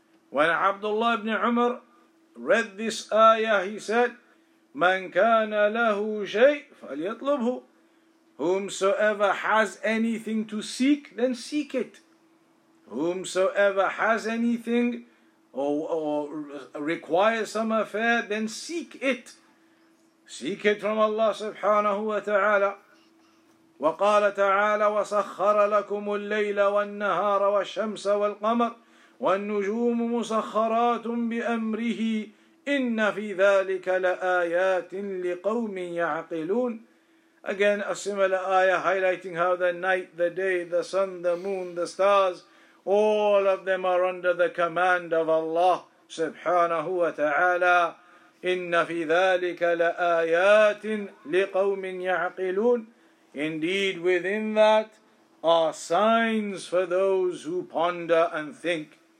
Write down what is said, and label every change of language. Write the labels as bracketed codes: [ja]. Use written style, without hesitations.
[en] When Abdullah ibn Umar read this ayah, he said, [ar] مَنْ كَانَ لَهُ شَيْءٍ فَلْيَطْلُبْهُ. [en] Whomsoever has anything to seek, then seek it. Whomsoever has anything or requires some affair, then seek it. Seek it from Allah subhanahu wa ta'ala. [ar] وقال تعالى وسخر لكم الليل والنهار والشمس والقمر والنجوم مسخرات بأمره إن في ذلك لآيات لقوم يعقلون. [en] Again, a similar ayah highlighting how the night, the day, the sun, the moon, the stars, all of them are under the command of Allah subhanahu wa ta'ala. [ar] إِنَّ فِي ذَٰلِكَ لَآيَاتٍ لِقَوْمٍ يَعْقِلُونَ [en] Indeed, within that are signs for those who ponder and think.